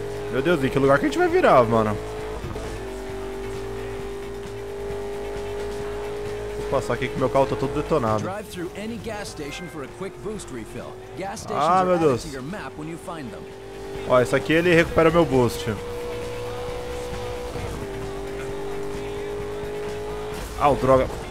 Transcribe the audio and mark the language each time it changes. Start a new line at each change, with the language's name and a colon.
Portuguese: Meu Deus, em que lugar que a gente vai virar, mano? Vou passar aqui que meu carro tá todo detonado.
English: Drive through any gas station for a quick boost refill. Gas stations are added to your map when you find them.
Portuguese: Ó, esse aqui ele recupera meu boost. Ah, oh, droga.